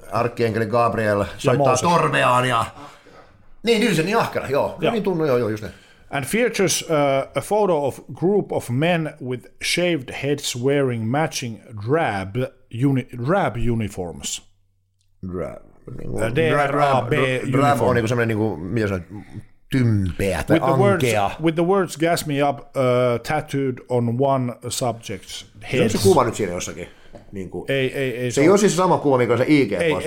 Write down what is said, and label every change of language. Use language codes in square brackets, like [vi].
[fi] Arkkienkeli Gabriel soittaa torveaan ja... Niin, Diligent, niin ahkera, joo. Ja. Niin tunnu, joo, just niin. [en] And features a photo of group of men with shaved heads wearing matching drab uniforms. Drab. [fi] Drab on niinku semmoinen, niinku, mitä sanoit, tympeä tai ankea. [en] With the words Gas Me Up tattooed on one subject's head. [fi] Se on se kuva nyt siinä jossakin. Niin kuin. Ei. Se ei ole siis se sama kuva, mikä se IG-postaus.